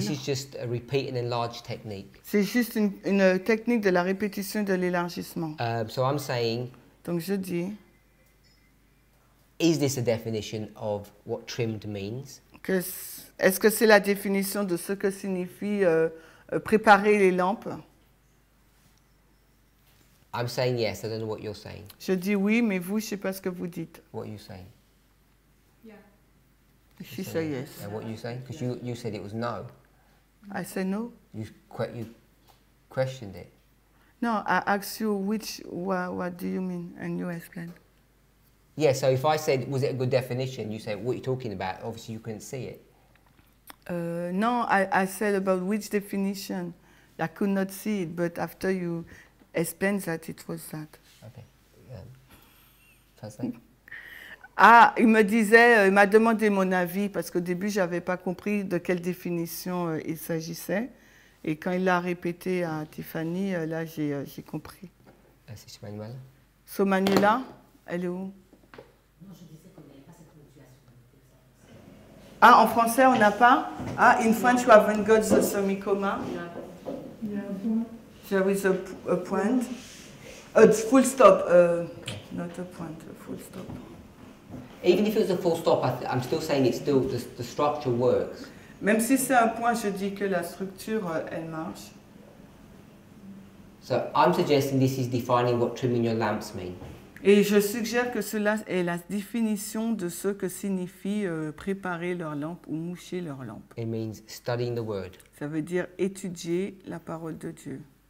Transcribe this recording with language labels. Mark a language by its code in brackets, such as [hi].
[en] This is just a repeat and enlarge technique. [fr] C'est juste une technique de la répétition de l'élargissement. [en] So I'm saying. [fr] Donc je dis. [en] Is this a definition of what trimmed means? [fr] Est-ce que c'est la définition de ce que signifie préparer les lampes? [en] I'm saying yes. I don't know what you're saying. [fr] Je dis oui, mais vous, je ne sais pas ce que vous dites. [en] What are you saying? She said yes. And what you say? Because you said it was no. I said no. You questioned it. No, I asked you what do you mean, and you explained. Yeah, so if I said, was it a good definition? You said, what are you talking about? Obviously, you couldn't see it. No, I said about which definition. I could not see it, but after you explained that, it was that. Okay. Translate. [fr] Ah, il me disait, il m'a demandé mon avis, parce qu'au début, je n'avais pas compris de quelle définition il s'agissait. Et quand il l'a répété à Tiffany, là, j'ai compris. C'est Manuela. So Manuela, elle est où? Non, je disais qu'on n'avait pas cette ponctuation. Ah, en français, on n'a pas? [en] Ah, in French, we haven't got the semicolon. There is a point. A full stop. Not a point, a full stop. Even if it was a full stop, I'm still saying it's still the structure works. [fr] Même si c'est un point, je dis que la structure elle marche. [en] So I'm suggesting this is defining what trimming your lamps mean. [fr] Et je suggère que cela est la définition de ce que signifie préparer leur lampe ou moucher leur lampe. [en] It means studying the word. [fr] Ça veut dire étudier la parole de Dieu.